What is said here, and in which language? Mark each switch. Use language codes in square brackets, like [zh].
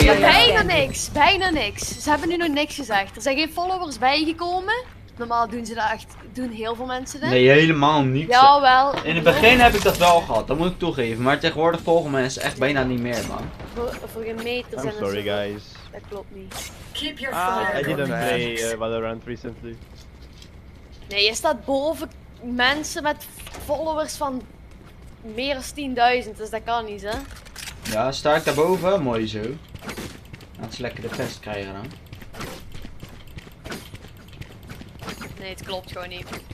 [nl] ja, bijna niks! Bijna niks! Ze hebben nu nog niks gezegd. Er zijn geen followers bijgekomen. Normaal doen ze dat echt, doen heel veel mensen dat. Nee, helemaal niet. Jawel. In het begin heb ik dat wel gehad, dat moet ik toegeven. Maar tegenwoordig volgen mensen echt bijna niet meer, man. Voor geen meter zijn [en] ze. I'm sorry, guys. [nl] Dat klopt niet. [en] Keep your fire. I didn't play Valorant recently. [nl] Nee, je staat boven mensen met followers van meer dan 10.000, dus dat kan niet, hè? Ja, sta ik daarboven, mooi zo. Laat ze lekker de pest krijgen dan. Nee, het klopt gewoon niet.